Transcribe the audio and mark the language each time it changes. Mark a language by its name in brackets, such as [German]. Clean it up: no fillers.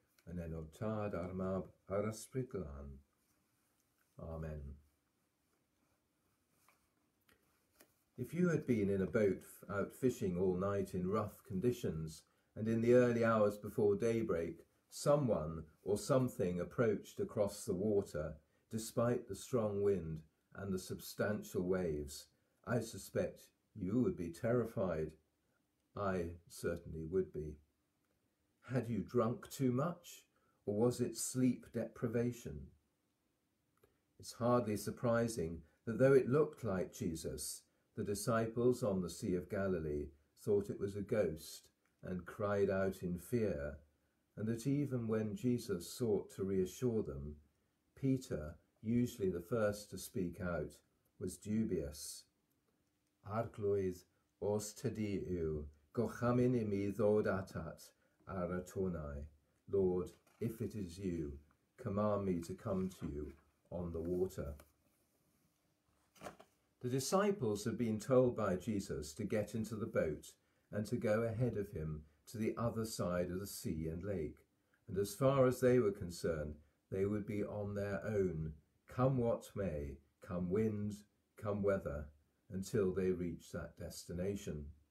[Welsh] Yn enw'r Tad a'r Mab a'r Ysbryd Glân. Amen. [English] If you had been in a boat out fishing all night in rough conditions and in the early hours before daybreak, someone or something approached across the water, despite the strong wind and the substantial waves, I suspect you would be terrified. I certainly would be. Had you drunk too much, or was it sleep deprivation? It's hardly surprising that though it looked like Jesus, the disciples on the Sea of Galilee thought it was a ghost and cried out in fear. And that even when Jesus sought to reassure them, Peter, usually the first to speak out, was dubious. [Welsh] "Arglwydd, os tydi yw, gochamin i mi ddod atat ar y tonau. [English] Lord, if it is you, command me to come to you on the water." The disciples had been told by Jesus to get into the boat and to go ahead of him to the other side of the sea and lake, and as far as they were concerned, they would be on their own, come what may, come wind, come weather, until they reached that destination.